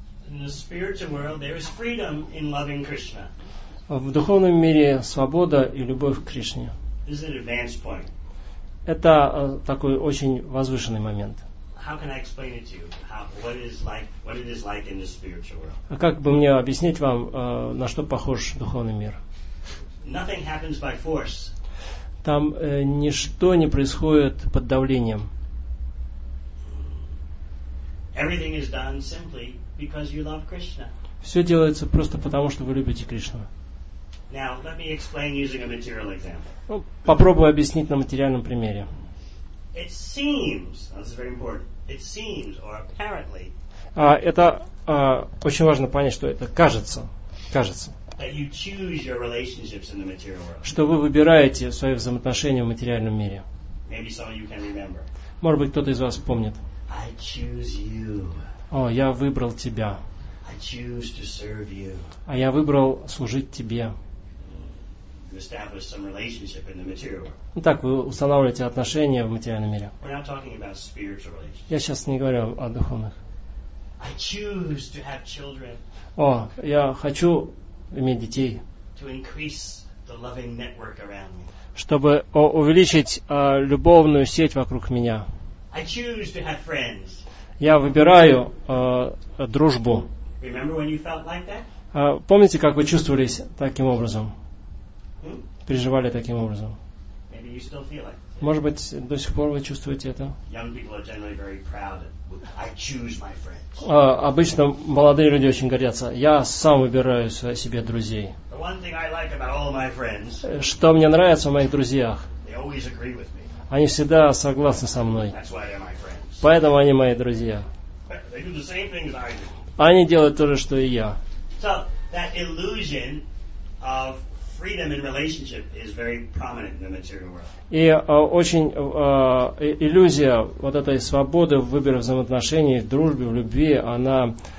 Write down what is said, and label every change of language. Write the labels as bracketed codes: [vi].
[en] In the spiritual world, there is freedom in loving Krishna. [ru] В духовном мире свобода и любовь к Кришне. [en] This is an advanced point. [ru] Это такой очень возвышенный момент. [en] How can I explain it to you? What it is like in the spiritual world? [ru] А как бы мне объяснить вам, на что похож духовный мир? [en] Nothing happens by force. [ru] Там ничто не происходит под давлением. [en] Everything is done simply because you love Krishna. [ru] Все делается просто потому, что вы любите Кришну. [en] Now let me explain using a material example. [ru] Попробую объяснить на материальном примере. [en] It seems, this is very important. It seems or apparently. [ru] Это очень важно понять, что это кажется, кажется. [en] That you choose your relationships in the material world. [ru] Что вы выбираете свои взаимоотношения в материальном мире. [en] Maybe some of you can remember. [ru] Может быть, кто-то из вас помнит. [en] I choose you. [ru] О, я выбрал тебя. [en] I choose to serve you. [ru] А я выбрал служить тебе. [en] You establish some relationship in the material world. [ru] Ну, так, вы устанавливаете отношения в материальном мире. [en] We're not talking about spiritual relationships. [ru] Я сейчас не говорю о духовных. [en] I choose to have children. [ru] О, я хочу иметь детей. [en] To increase the loving network around me. [ru] Чтобы увеличить любовную сеть вокруг меня. [en] I choose to have friends. [ru] Я выбираю дружбу. [en] Remember when you felt like that? [ru] Помните, как вы чувствовались таким образом? Hmm? Переживали таким образом? [en] Maybe you still feel like it. [ru] Может быть, до сих пор вы чувствуете это? [en] Young people are generally very proud of it. I choose my friends. [ru] Обычно молодые люди очень гордятся. Я сам выбираю себе друзей. [en] The one thing I like about all my friends, [ru] что мне нравится в моих друзьях, [en] they always agree with me. [ru] Они всегда согласны со мной. [en] That's why they're my friends. [ru] Поэтому они мои друзья. [en] They do the same thing as I do. [ru] Они делают то же, что и я. [en] So, that illusion of freedom in relationship is very prominent in the material world. [ru] И очень иллюзия вот этой свободы в выборе взаимоотношений, в дружбе, в любви, она